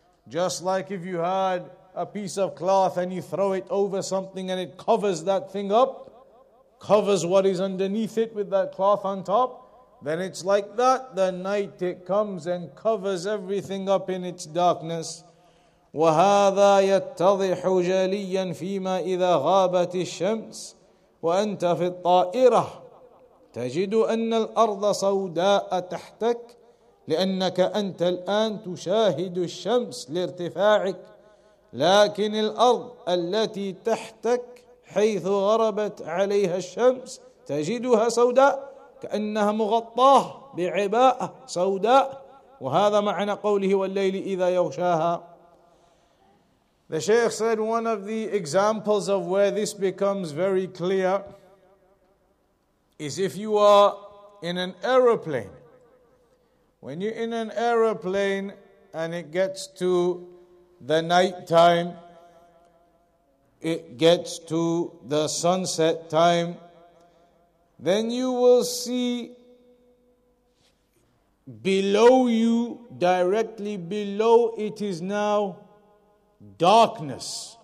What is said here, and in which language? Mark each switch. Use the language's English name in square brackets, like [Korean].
[English] Just like if you had a piece of cloth and you throw it over something and it covers that thing up, covers what is underneath it with that cloth on top, then it's like that. The night it comes and covers everything up in its darkness. [Arabic] وَهَذَا يَتَّضِحُ جَلِيًّا فِيمَا إِذَا غَابَتِ الشَّمْسِ وَأَنْتَ فِي الطَّائِرَةِ تجد أن الأرض سوداء تحتك لأنك أنت الآن تشاهد الشمس لارتفاعك, لكن الأرض التي تحتك حيث غربت عليها الشمس تجدها سوداء كأنها مغطاة بعباءة سوداء, وهذا معنى قوله والليل إذا يغشاها. [English] The Shaykh said one of the examples of where this becomes very clear is if you are in an aeroplane. When you're in an aeroplane and it gets to the night time, it gets to the sunset time, then you will see below you, directly below, it is now darkness.